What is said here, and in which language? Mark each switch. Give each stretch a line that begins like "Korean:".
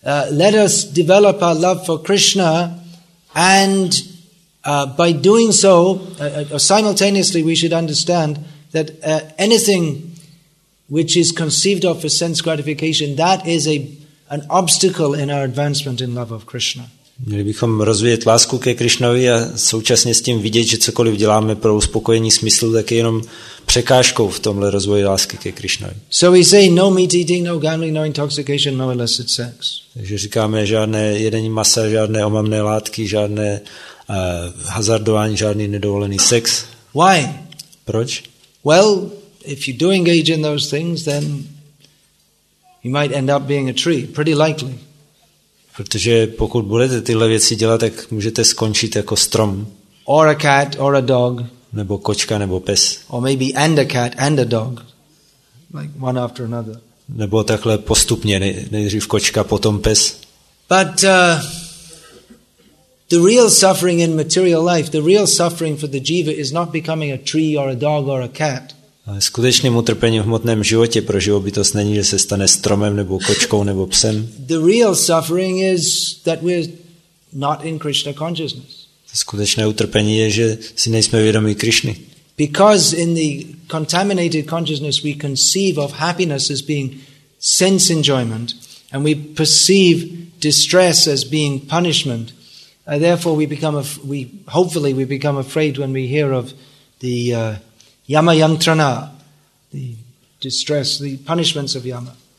English: Let us develop our love for Krishna and by doing so simultaneously we should understand that anything which is conceived of as sense gratification that is an obstacle in our advancement in love of Krishna.
Czech: Měli bychom rozvíjet lásku ke Krišnovi a současně s tím vidět, že cokoliv děláme pro uspokojení smyslu, tak je jenom překážkou v tomhle rozvoji lásky ke Krišnovi.
English: So we say no meat eating, no gambling, no intoxication, no illicit sex.
Czech: Takže říkáme žádné jedení masa, žádné omamné látky, žádné hazardování, žádný nedovolený sex.
English: Why?
Czech: Proč?
English: Well, if you do engage in those things, then you might end up being a tree, pretty likely.
Czech: Protože pokud budete tyhle věci dělat, tak můžete skončit jako strom.
English: Or a cat, or a dog.
Czech: Nebo kočka, nebo pes.
English: Or maybe and a cat, and a dog. Like one after another.
Czech: Nebo takhle postupně, nejdřív kočka, potom pes.
English: But the real suffering in material life, the real suffering for the jiva is not becoming a tree, or a dog, or a cat.
Czech: Ale skutečným utrpením v hmotném životě pro živobytost není, že se stane stromem nebo kočkou nebo psem.
English: The real suffering is that we're not in Krishna consciousness.
Czech: Skutečné utrpení je, že si nejsme vědomí Krišny.
English: Because in the contaminated consciousness we conceive of happiness as being sense enjoyment and we perceive distress as being punishment. And therefore we become afraid when we hear of the Yama yantrana, the distress, the punishments of Yama.